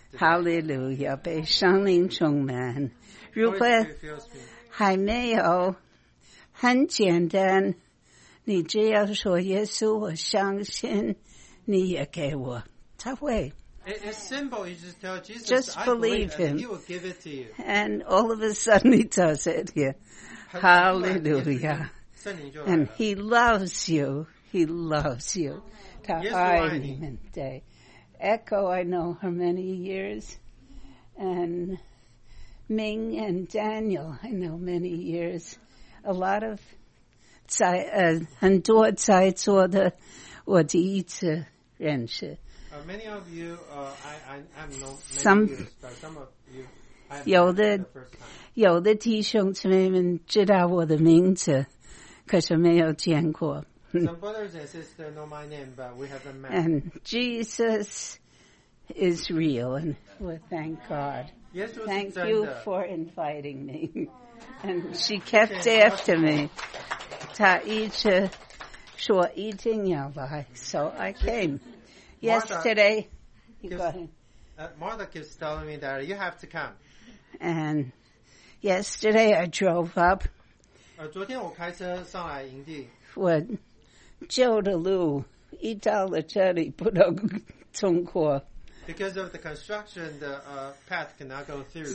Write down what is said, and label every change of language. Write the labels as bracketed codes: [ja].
[zh] Hallelujah, 被圣灵充满。如果还没有，很简单。你只要说耶稣，我相信，你也给我，他会。 [en] It's simple. You just tell Jesus, just believe him. He will give it to you. And all of a sudden, he does it. Yeah. Hallelujah. And he loves you. He loves you. [zh] 他爱你们。对。 [en] Echo, I know her many years. And Ming and Daniel, I know many years. A lot of [zh] 在很多在座的，我第一次认识。 [en] Many of you, I'm not many some, years, some of you, [zh] 有的弟兄姊妹们知道我的名字，可是没有见过。 [en] Some brothers and sisters know my name, but we haven't met. And Jesus is real, and we thank God. Yes, thank you for inviting me. And she kept after me. [zh] 她一直说一定要来 ， [en] so I came. Yesterday, Martha keeps telling me that you have to come. And yesterday I drove up. [zh] 昨天我开车上来营地。我旧的路一到了这里不能通过。 [en] Because of the construction, the path cannot go through.